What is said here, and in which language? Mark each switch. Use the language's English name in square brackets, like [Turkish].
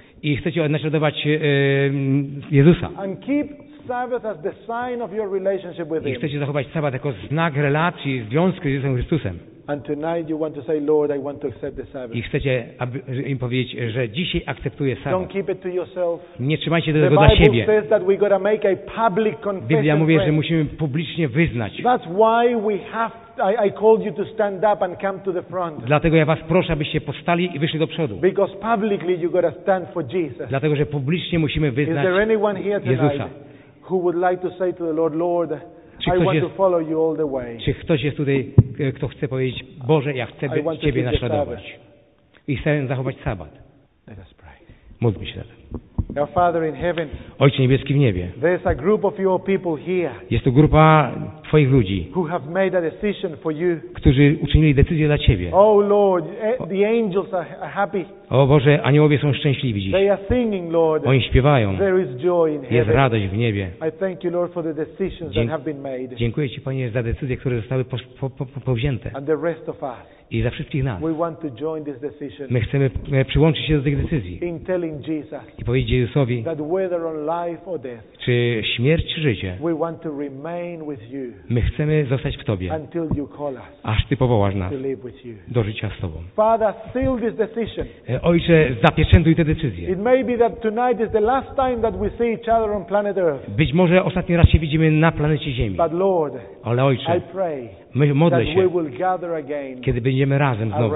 [Polish] i chcecie naśladować Jezusa. [English] And keep Sabbath as the sign of your relationship with Him. [Polish] I chcecie zachować sabat jako znak relacji, związku z Jezusem Chrystusem. [English] And tonight you want to say, Lord, I want to accept the Sabbath. [Polish] I chcecie im powiedzieć, że dzisiaj akceptuję sabat. [English] Don't keep it to yourself. [Polish] Nie trzymajcie tego [English] the [Polish] dla siebie. [English] Bible says that we gotta make a public confession. [Polish] Biblia mówi, że musimy publicznie wyznać. [English] That's why we have I called you to stand up and come to the front. [Polish] Dlatego ja was proszę, abyście powstali i wyszli do przodu. [English] Because publicly you gotta stand for Jesus. [Polish] Dlatego, że publicznie musimy wyznać Jezusa. [English] Is there anyone here tonight [Polish] Jezusa? [English] Who would like to say to the Lord, Lord, I want [Polish] jest, [English] to follow you all the way. [Polish] Czy ktoś jest tutaj, kto chce powiedzieć, Boże, ja chcę Ciebie naśladować. I chcę zachować sabat. [English] Let us pray. [Polish] Módlmy się zatem. [English] Our Father in heaven, [Polish] Ojcze Niebieski w niebie, [English] there's a group of your people here. [Polish] Jest tu grupa Twoich ludzi, [English] who have made a decision for you. [Polish] Którzy uczynili decyzję dla Ciebie. [English] Oh Lord, the angels are happy. [Polish] O Boże, aniołowie są szczęśliwi dziś. [English] They are singing, Lord. [Polish] Oni śpiewają. [English] There is joy in heaven. [Polish] Jest radość w niebie. [English] I thank you, Lord, for the decisions that have been made. [Polish] Dziękuję Ci, Panie, za decyzje, które zostały powzięte. [English] And the rest of us. [Polish] I za wszystkich nas. [English] We want to join this decision. [Polish] My chcemy przyłączyć się do tych decyzji. [English] In telling Jesus, [Polish] i powiedzieć Jezusowi, [English] that whether on life or death, [Polish] czy śmierć, czy życie, [English] we want to remain with you, [Polish] my chcemy zostać w Tobie, [English] until you call us, [Polish] aż Ty powołasz nas [English] to live with you. [Polish] Do życia z Tobą. [English] Father, seal this decision. [Polish] Ojcze, zapieczętuj tę decyzję. [English] It may be that tonight is the last time that we see each other on planet Earth. [Polish] Być może ostatni raz się widzimy na planecie Ziemi. [English] But Lord, [Polish] ale Ojcze, [English] I pray, [Polish] my modlę się, [English] we will gather again, [Polish] kiedy będziemy razem znowu